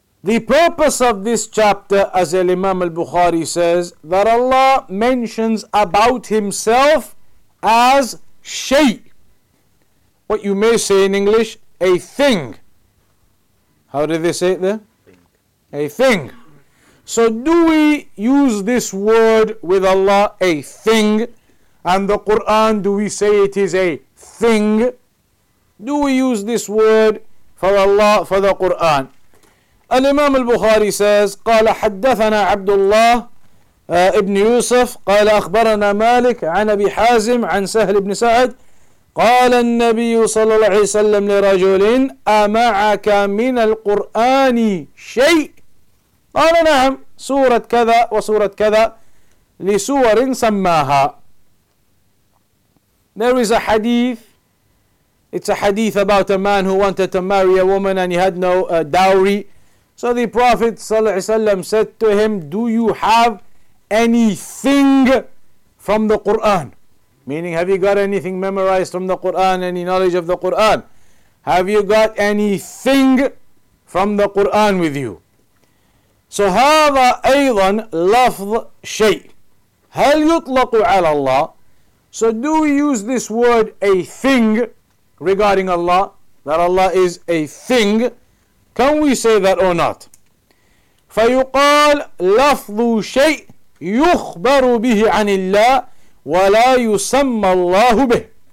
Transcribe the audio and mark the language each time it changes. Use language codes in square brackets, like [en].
[en] The purpose of this chapter, as Imam al-Bukhari says, that Allah mentions about himself as shay, what you may say in English, a thing. How did they say it there? Thing. A thing. So do we use this word with Allah, a thing, and the Quran, do we say it is a thing? Do we use this word for Allah, for the Quran? Al-Imam al-Bukhari says, [ar] قال حدثنا عبد الله ابن يوسف قال أخبرنا مالك عن أبي حازم عن سهل بن سعد قال النبي صلى الله عليه وسلم لرجل أمعك من القرآن شيء قال نعم سورة كذا وسورة كذا لسور سماها. [en] There is a hadith. It's a hadith about a man who wanted to marry a woman and he had no dowry. So the Prophet ﷺ said to him, do you have anything from the Qur'an? Meaning, have you got anything memorized from the Qur'an, any knowledge of the Qur'an? Have you got anything from the Qur'an with you? [ar] So, هذا أيضا لفظ شيء. هل يطلق على الله? [en] So, do we use this word, a thing, regarding Allah, that Allah is a thing? Can we say that or not? [ar] فيقال لفظ شيء يخبر به عن الله ولا يسمى الله به.